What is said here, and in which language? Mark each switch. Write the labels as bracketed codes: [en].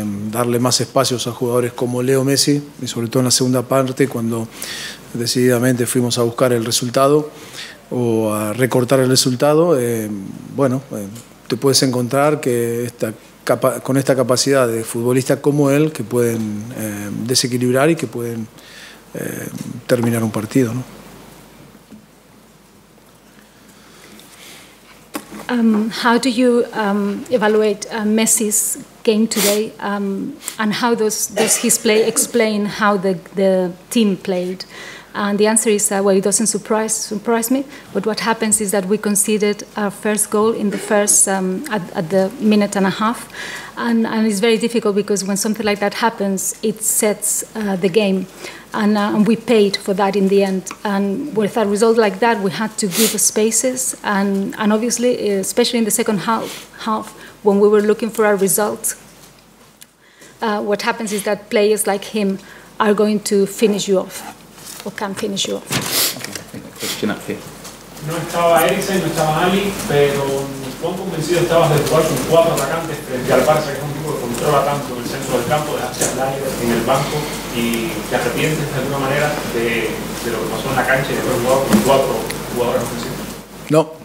[es] Darle más espacios a jugadores como Leo Messi, y sobre todo en la segunda parte, cuando decididamente fuimos a buscar el resultado o a recortar el resultado, te puedes encontrar que esta con esta capacidad de futbolista como él, que pueden desequilibrar y que pueden terminar un partido, ¿no? [en] How do you evaluate Messi's game today, and how does his play explain how the team played? And the answer is it doesn't surprise me. But what happens is that we conceded our first goal in the first at the minute and a half, and it's very difficult because when something like that happens, it sets the game, and we paid for that in the end. And with a result like that, we had to give spaces, and obviously, especially in the second half when we were looking for our result, what happens is that players like him are going to finish you off. O can finish you off. [es] No estaba Eriksen, no estaba Ali, pero ¿cuán convencido estabas de jugar con cuatro atacantes frente al Barça, que es un equipo que controla tanto el centro del campo, dejaste al aire en el banco, y te arrepientes de alguna manera de lo que pasó en la cancha y de haber jugado con cuatro jugadores ofensivos?